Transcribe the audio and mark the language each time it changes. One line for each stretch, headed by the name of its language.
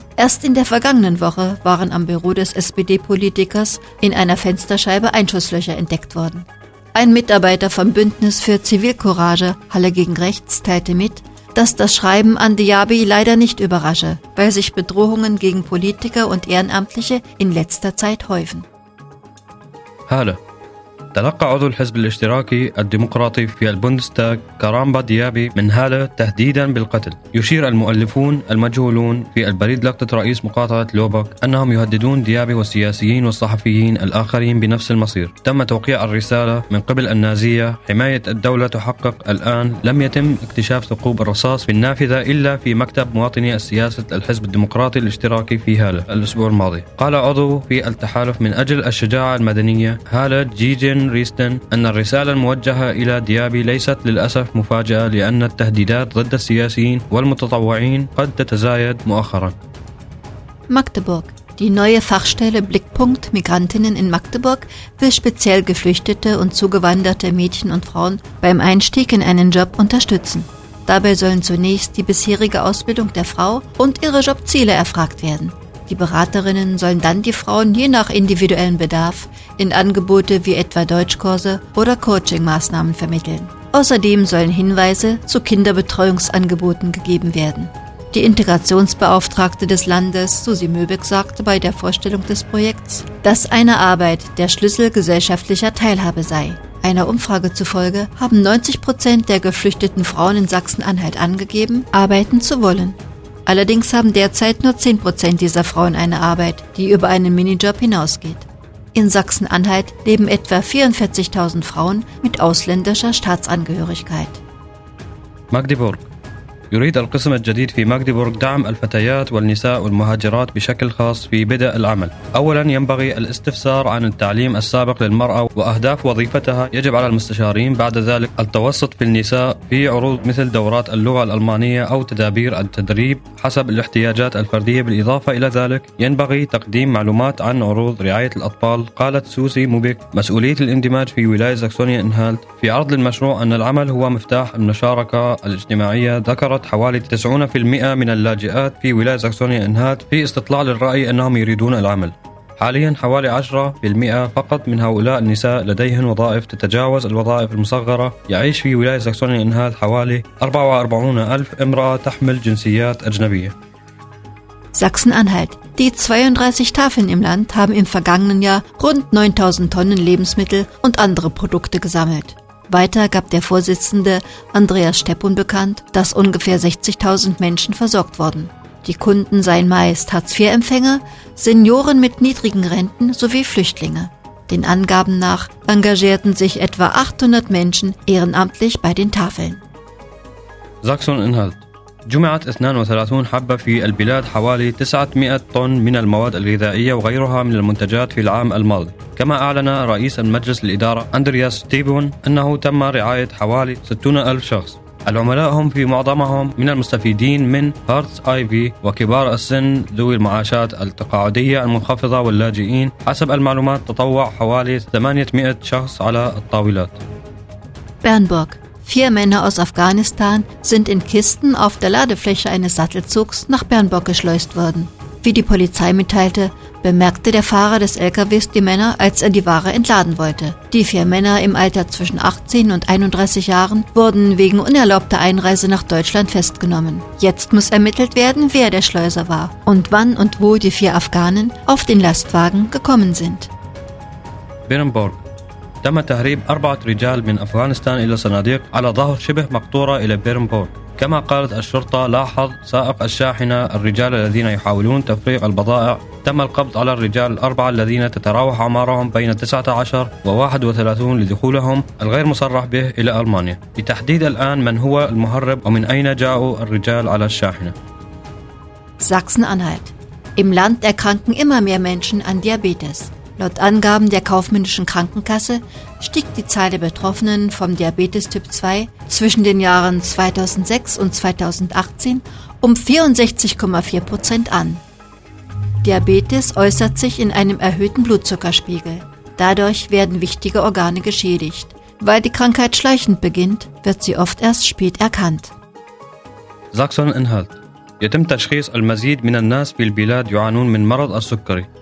German: Erst in der vergangenen Woche waren am Büro des SPD-Politikers in einer Fensterscheibe Einschusslöcher entdeckt worden. Ein Mitarbeiter vom Bündnis für Zivilcourage, Halle gegen Rechts, teilte mit, dass das Schreiben an Diaby leider nicht überrasche, weil sich Bedrohungen gegen Politiker und Ehrenamtliche in letzter Zeit häufen. Halle.
Arabic: تلقى عضو الحزب الاشتراكي الديمقراطي في البوندستاغ كارامبا ديابي من هالة تهديدا بالقتل يشير المؤلفون المجهولون في البريد لقطة رئيس مقاطعة لوبك أنهم يهددون ديابي والسياسيين والصحفيين الآخرين بنفس المصير تم توقيع الرسالة من قبل النازية حماية الدولة تحقق الآن لم يتم اكتشاف ثقوب الرصاص في النافذة إلا في مكتب مواطني السياسة الحزب الديمقراطي الاشتراكي في هالة الأسبوع الماضي قال عضو في التحالف من أجل الشجاعة المدنية هالة جيجي ريستن أن الرسالة الموجهة إلى ديابي ليست للأسف مفاجأة لأن التهديدات ضد السياسيين والمتطوعين قد تتزايد مؤخرا
German: Magdeburg. Die neue Fachstelle Blickpunkt Migrantinnen in Magdeburg will speziell geflüchtete und zugewanderte Mädchen und Frauen beim Einstieg in einen Job unterstützen. Dabei sollen zunächst die bisherige Ausbildung der Frau und ihre Jobziele erfragt werden. Die Beraterinnen sollen dann die Frauen je nach individuellem Bedarf in Angebote wie etwa Deutschkurse oder Coaching-Maßnahmen vermitteln. Außerdem sollen Hinweise zu Kinderbetreuungsangeboten gegeben werden. Die Integrationsbeauftragte des Landes, Susi Möbeck, sagte bei der Vorstellung des Projekts, dass eine Arbeit der Schlüssel gesellschaftlicher Teilhabe sei. Einer Umfrage zufolge haben 90% der geflüchteten Frauen in Sachsen-Anhalt angegeben, arbeiten zu wollen. Allerdings haben derzeit nur 10% dieser Frauen eine Arbeit, die über einen Minijob hinausgeht. In Sachsen-Anhalt leben etwa 44.000 Frauen mit ausländischer Staatsangehörigkeit. Magdeburg.
Arabic: يريد القسم الجديد في ماغديبورغ دعم الفتيات والنساء والمهاجرات بشكل خاص في بدء العمل. أولا ينبغي الاستفسار عن التعليم السابق للمرأة وأهداف وظيفتها يجب على المستشارين بعد ذلك التوسط في النساء في عروض مثل دورات اللغة الألمانية أو تدابير التدريب حسب الاحتياجات الفردية بالإضافة إلى ذلك ينبغي تقديم معلومات عن عروض رعاية الأطفال قالت سوسي موبيك مسؤولية الاندماج في ولاية ساكسونيا انهالت في عرض للمشروع أن العمل هو مفتاح المشاركة الاجتماعية ذكر حوالي 90% من اللاجئات في ولاية ساكسونيا انهالت في استطلاع للرأي أنهم يريدون العمل حاليا حوالي 10% فقط من هؤلاء النساء لديهم وظائف تتجاوز الوظائف المصغرة يعيش في ولاية ساكسونيا انهالت حوالي 44,000 امرأة تحمل جنسيات أجنبية
German: Sachsen-Anhalt. Die 32 Tafeln im Land haben im vergangenen Jahr rund 9000 Tonnen Lebensmittel und andere Produkte gesammelt. Weiter gab der Vorsitzende Andreas Steppun bekannt, dass ungefähr 60.000 Menschen versorgt wurden. Die Kunden seien meist Hartz-IV-Empfänger, Senioren mit niedrigen Renten sowie Flüchtlinge. Den Angaben nach engagierten sich etwa 800 Menschen ehrenamtlich bei den Tafeln. Sachsen-Inhalt. جمعت 32 حبة في البلاد حوالي 900 طن من المواد الغذائية وغيرها من المنتجات في العام الماضي كما أعلن رئيس المجلس الإدارة أندرياس ستيبون أنه تم رعاية حوالي 60,000 شخص العملاء هم في معظمهم من المستفيدين من هارتس آي في وكبار السن ذوي المعاشات التقاعدية المنخفضة واللاجئين حسب المعلومات تطوع حوالي 800 شخص على الطاولات
Arabic: بيرنبورغ
German: Vier Männer aus Afghanistan sind in Kisten auf der Ladefläche eines Sattelzugs nach Bernburg geschleust worden. Wie die Polizei mitteilte, bemerkte der Fahrer des LKWs die Männer, als er die Ware entladen wollte. Die vier Männer im Alter zwischen 18 und 31 Jahren wurden wegen unerlaubter Einreise nach Deutschland festgenommen. Jetzt muss ermittelt werden, wer der Schleuser war und wann und wo die vier Afghanen auf den Lastwagen gekommen sind. Bernburg.
Arabic: تم تهريب أربعة رجال من أفغانستان إلى صناديق على ظهر شبه مقطورة إلى بيرنبورغ. كما قالت الشرطة لاحظ سائق الشاحنة الرجال الذين يحاولون تفريغ البضائع. تم القبض على الرجال الأربعة الذين تتراوح أعمارهم بين 19 و 31 لدخولهم الغير مصرح به إلى ألمانيا. لتحديد الآن من هو المهرب ومن أين جاءوا الرجال على الشاحنة.
German: Sachsen-Anhalt. Im Land erkranken immer mehr Menschen an Diabetes. Laut Angaben der kaufmännischen Krankenkasse stieg die Zahl der Betroffenen vom Diabetes Typ 2 zwischen den Jahren 2006 und 2018 um 64,4% an. Diabetes äußert sich in einem erhöhten Blutzuckerspiegel. Dadurch werden wichtige Organe geschädigt. Weil die Krankheit schleichend beginnt, wird sie oft erst spät erkannt. Sachsen-Inhalt.
Arabic: يتم تشخيص المزيد من الناس في البلاد يعانون من مرض السكري.